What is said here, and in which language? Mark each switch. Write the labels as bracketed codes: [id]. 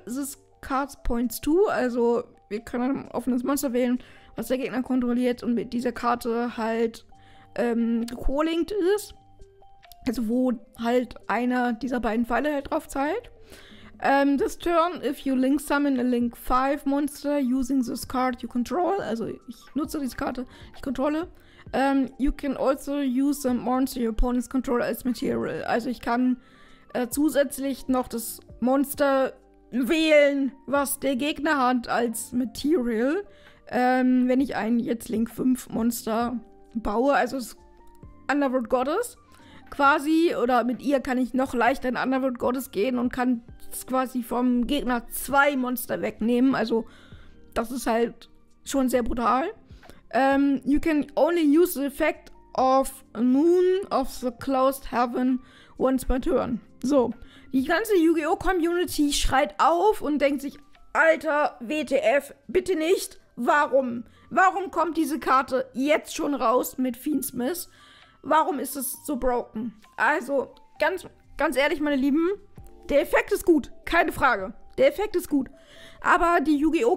[en] This card points two. [de] Also, wir können ein offenes Monster wählen, was der Gegner kontrolliert und mit dieser Karte halt co-linked ist. Also wo halt einer dieser beiden Pfeile halt drauf zahlt. [en] This turn, if you link summon a link 5 monster using this card you control. [de] Also ich nutze diese Karte, ich kontrolle. [en] You can also use the monster your opponent's control as material. [de] Also ich kann zusätzlich noch das Monster wählen, was der Gegner hat als material. Wenn ich ein jetzt link 5 monster baue, also das Underworld Goddess quasi, oder mit ihr kann ich noch leichter in Underworld Goddess gehen und kann quasi vom Gegner 2 Monster wegnehmen, also das ist halt schon sehr brutal. [en] You can only use the effect of Moon of the Closed Heaven once per turn. [de] So, die ganze Yu-Gi-Oh! Community schreit auf und denkt sich, Alter, WTF, bitte nicht. Warum? Warum kommt diese Karte jetzt schon raus mit Fiendsmith? Warum ist es so broken? Also, ganz ehrlich, meine Lieben, der Effekt ist gut. Keine Frage. Der Effekt ist gut. Aber die Yu-Gi-Oh!